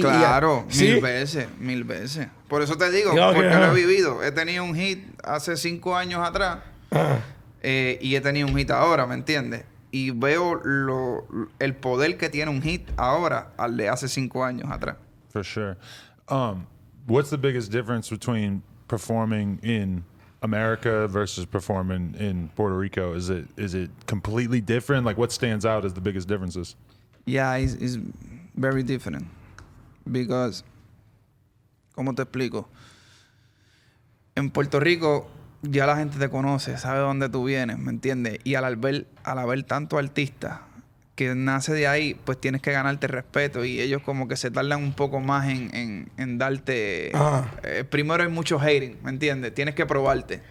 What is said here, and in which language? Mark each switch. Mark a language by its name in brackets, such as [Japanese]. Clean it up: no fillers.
[Spanish] Claro, mil veces. Por eso te digo, lo he vivido. He tenido un hit hace 5 años atrás y he tenido un hit ahora, ¿me entiendes? Y veo el poder que tiene un hit ahora al de hace 5 años atrás. [English] For sure. What's the biggest difference between performing in America versus performing in Puerto Rico? Is it completely different? Like, what stands out as the biggest differences? Yeah, it's very different because, [Spanish] ¿cómo te explico? En Puerto Rico ya la gente te conoce, sabe dónde tú vienes, ¿me entiendes? Y al haber tanto artista que nace de ahí, pues tienes que ganarte respeto y ellos como que se tardan un poco más en darte... primero hay mucho hating, ¿me entiendes? Tienes que probarte.